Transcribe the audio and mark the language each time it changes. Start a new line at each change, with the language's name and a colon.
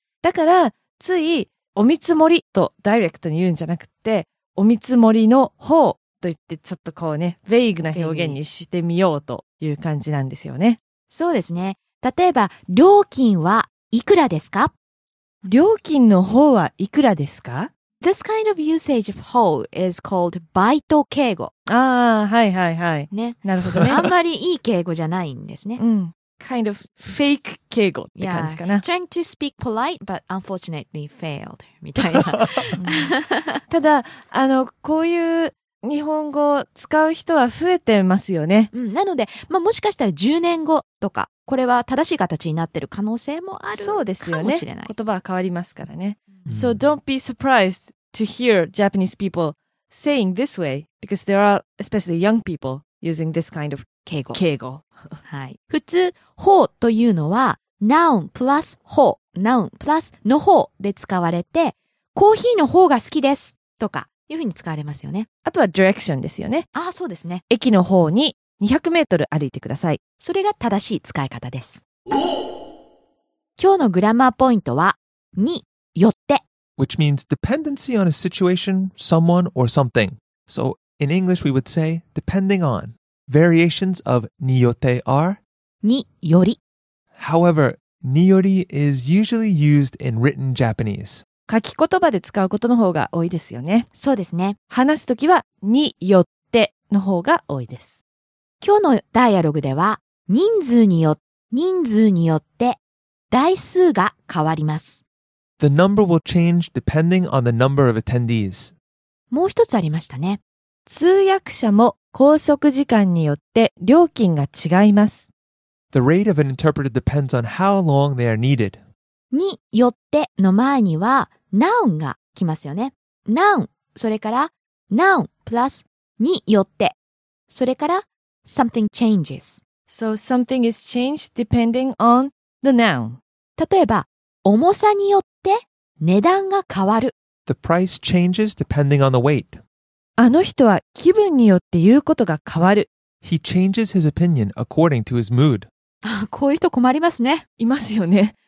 Japanese: だから、ついお見積もりとダイレクトに言うんじゃなくて、お見積もりの方、と言ってちょっとこうね、ベイグな表現にしてみようという感じなんですよね。そうですね。例えば、料金はいくらですか？料金の方はいくらですか？
English: This kind of usage of 方 is called バイト敬語。
Japanese: ああ、はいはいはい。ね。なるほどね。あんまりいい敬語じゃないんですね。うん。
English: Kind of fake
Japanese: 敬語って感じかな。
English: Yeah. Trying to speak polite, but unfortunately failed.
Japanese: みたいな。ただ、こういう日本語を使う人は増えてますよね。うん、なので、まあ、もしかしたら10年後とか、これは正しい形になってる可能性もあるかもしれない。そうですよね。言葉は変わりますからね。うん、
English: So don't be surprised to hear Japanese people saying this way, because there are especially young people using this kind of
Japanese: 敬語。はい。普通、方というのは、noun plus 方、noun plus の方で使われて、コーヒーの方が好きですとか、いうふうに使われますよね。あとはディレクションですよね。ああ、そうですね。駅の方に200メートル歩いてください。それが正しい使い方です。今日のグラマーポイントは、によって。
English: Which means dependency on a situation, someone, or something. So, in English we would say, depending on. Variations of によって are?
Japanese: により。
English: However, により is usually used in written Japanese.
Japanese: 書き言葉で使うことの方が多いですよね。そうですね。話すときは、によっての方が多いです。今日のダイアログでは、人数によって、台数が変わります。
English: The number will change depending on the number of attendees.
Japanese: もう一つありましたね。通訳者も拘束時間によって料金が違います。
English: The rate of an interpreter depends on how long they are needed.
Japanese: によっての前には noun が来ますよね。 noun、それから noun plus によって、それから something changes。
English: So something is changed depending on the noun。
Japanese: 例えば、重さによって値段が変わる。
English: The price changes depending on the weight。
Japanese: あの人は気分によって言うことが変わる。
English: He changes his opinion according to his mood。
Japanese: こういう人困りますね。いますよね。